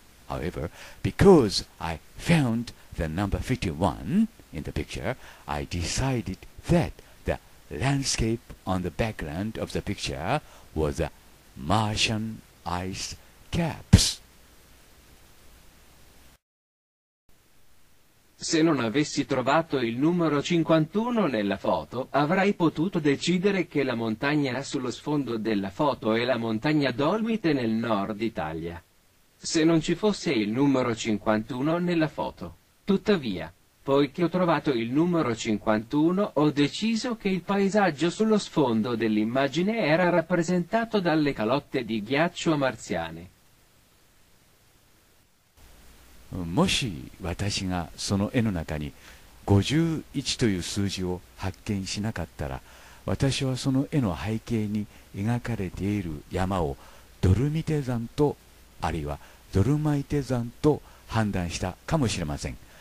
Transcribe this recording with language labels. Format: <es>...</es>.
<en>However, because I found the number 51 in the picture, I decided that the landscape on the background of the picture was the Martian ice caps.</en> <it>Se non avessi trovato il numero 51 nella foto, avrei potuto decidere che la montagna sullo sfondo della foto è la montagna Dolomite nel nord Italia. Se non ci fosse il numero 51 nella foto. Tuttavia, poiché ho trovato il numero 51, ho deciso che il paesaggio sullo sfondo dell'immagine era rappresentato dalle calotte di ghiaccio marziane.</it> <ja>もし私がその絵の中に51という数字を発見しなかったら、私はその絵の背景に描かれている山をドルミテ山と、あるいはドルマイテ山と判断したかもしれません。</ja>